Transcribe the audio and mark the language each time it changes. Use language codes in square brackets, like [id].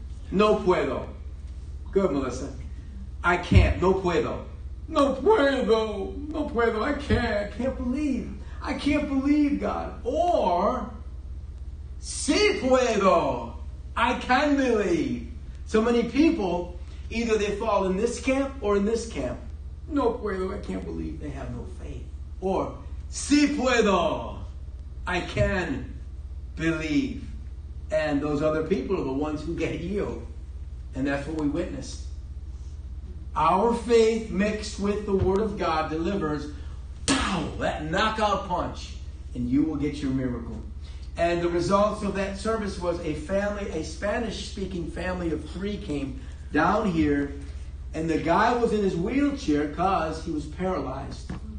[es] No puedo. [en] Good, Melissa. I can't. [es] No puedo. No puedo, no puedo, [en] I can't believe. I can't believe, God. Or, [es] sí puedo, [en] I can believe. So many people, either they fall in this camp or in this camp. [es] No puedo, [en] I can't believe. They have no faith. Or, [es] sí puedo, [en] I can believe. And those other people are the ones who get healed. And that's what we witnessed. Our faith mixed with the Word of God delivers, pow, that knockout punch, and you will get your miracle. And the results of that service was a family, a Spanish-speaking family of three came down here, and the guy was in his wheelchair because he was paralyzed.